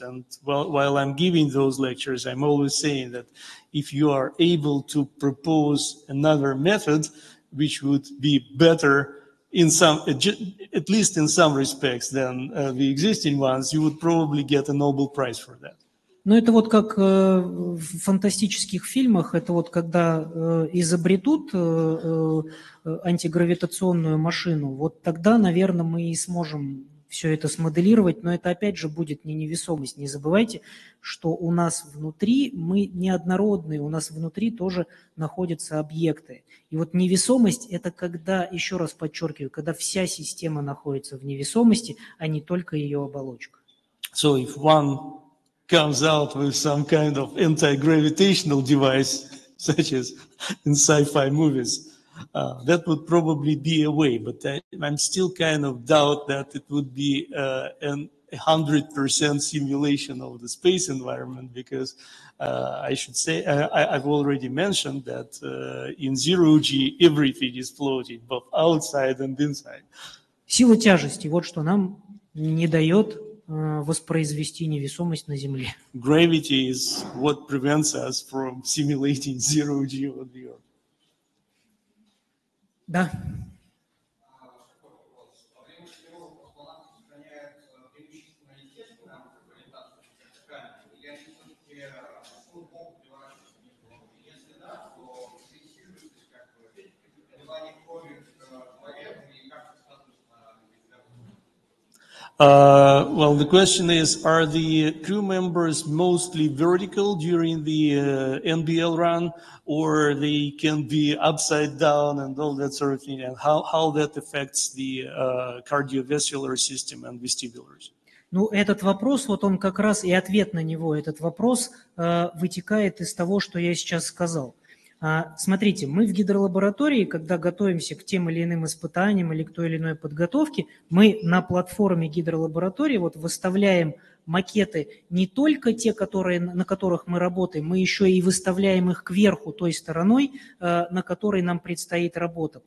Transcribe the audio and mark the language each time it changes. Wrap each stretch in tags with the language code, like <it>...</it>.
<en>And while I'm giving those lectures, I'm always saying that if you are able to propose another method, which would be better in some, at least in some respects, than the existing ones, you would probably get a Nobel Prize for that.</en> <ru>Ну, это вот как в фантастических фильмах, это вот когда изобретут антигравитационную машину, вот тогда, наверное, мы и сможем все это смоделировать, но это опять же будет не невесомость. Не забывайте, что у нас внутри мы неоднородные, у нас внутри тоже находятся объекты. И вот невесомость – это когда, еще раз подчеркиваю, когда вся система находится в невесомости, а не только ее оболочка.</ru> <en>So if one... comes out with some kind of anti-gravitational device, such as in sci-fi movies, that would probably be a way. But I'm still kind of doubt that it would be a 100% simulation of the space environment, because I should say, I've already mentioned that in zero-G everything is floating, both outside and inside.</en> <ru>Сила тяжести, вот что нам не дает воспроизвести невесомость на Земле.</ru> <en>Gravity is what prevents us from simulating zero-G on the Earth.</en> <ru>Да.</ru> <en>Well, the question is, are the crew members mostly vertical during the NBL run, or they can be upside down and all that sort of thing, and how that affects the cardiovascular system and vestibulars?</en> <ru>Ну, этот вопрос, вот он как раз и ответ на него, этот вопрос вытекает из того, что я сейчас сказал. Смотрите, мы в гидролаборатории, когда готовимся к тем или иным испытаниям или к той или иной подготовке, мы на платформе гидролаборатории вот выставляем макеты не только те, которые, на которых мы работаем, мы еще и выставляем их кверху той стороной, на которой нам предстоит работа.</ru>